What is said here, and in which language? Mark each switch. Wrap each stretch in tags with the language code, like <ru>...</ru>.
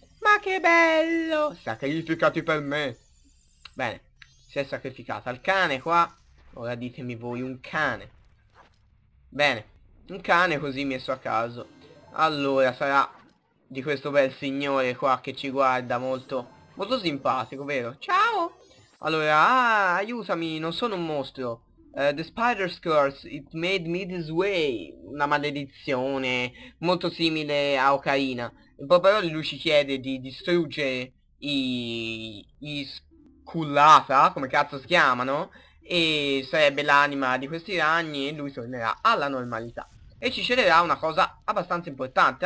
<it>Ma che bello! Sacrificati per me. Bene, si è sacrificata. Il cane qua. Ora ditemi voi, un cane. Bene, un cane così messo a caso. Allora, sarà di questo bel signore qua che ci guarda molto, molto simpatico, vero? Ciao! Allora, aiutami, non sono un mostro.</it> <en>The spider's curse, it made me this way.</en> <it>Una maledizione molto simile a Ocarina. Però lui ci chiede di distruggere i scullata, come cazzo si chiamano, e sarebbe l'anima di questi ragni e lui tornerà alla normalità e ci cederà una cosa abbastanza importante.</it>